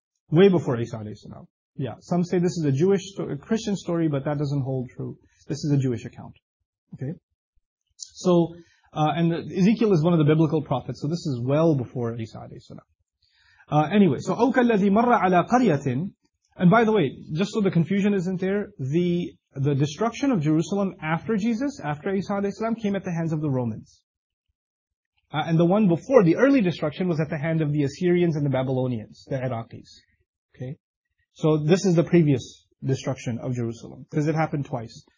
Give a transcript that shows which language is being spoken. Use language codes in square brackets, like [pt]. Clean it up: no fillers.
[en] Way before Isa alayhi salam. Yeah. Some say this is a Jewish, a Christian story, but that doesn't hold true. This is a Jewish account. Okay. So, and Ezekiel is one of the biblical prophets, so this is well before Isa alayhi salam. Anyway, so, [ar] أَوْكَالَّذِي مَرَّ عَلَىٰ قَرْيَةٍ. [en] And by the way, just so the confusion isn't there, the destruction of Jerusalem after Jesus, after Isa alayhi salam, came at the hands of the Romans. And the one before, the early destruction, was at the hand of the Assyrians and the Babylonians, the Iraqis. Okay? So this is the previous destruction of Jerusalem, because it happened twice.